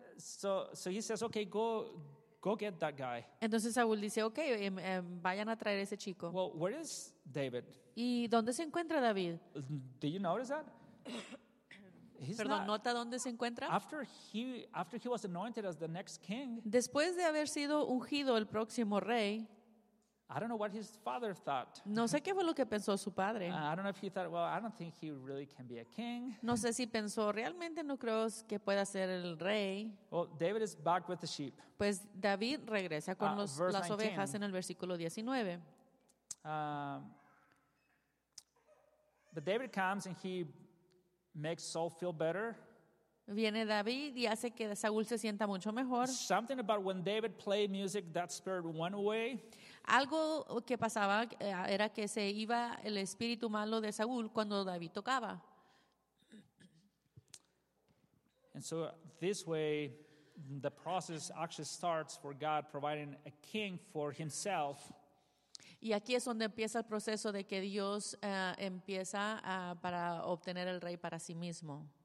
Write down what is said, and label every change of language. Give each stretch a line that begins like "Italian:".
English: So he says, "Okay, go get that guy."
Spanish: Entonces Saúl dice, "Okay, vayan a traer ese chico."
English: Well, where is David?
Spanish: ¿Y dónde se encuentra David?
English: Do you notice that?
Spanish: Perdón, ¿nota dónde se encuentra?
English: After he was anointed as the next king.
Spanish: Después de haber sido ungido el próximo rey.
English: I don't know what his father thought.
Spanish: No sé qué fue lo que pensó su padre.
English: I don't know if he thought, well, I don't think he really can be a king.
Spanish: No sé si pensó, realmente no creo que pueda ser el rey.
English: Well, David is back with the sheep.
Spanish: Pues David regresa con las ovejas en el versículo 19.
English: But David comes and he makes Saul feel better.
Spanish: Viene David y hace que Saúl se sienta mucho mejor.
English: Something about when David played music, that spirit went away.
Spanish: Algo que pasaba era que se iba el espíritu malo de Saúl cuando David tocaba.
English: And so this way, the process actually starts for God providing a king for himself.
Spanish: Y aquí es donde empieza el proceso de que Dios empieza para obtener el rey para sí mismo.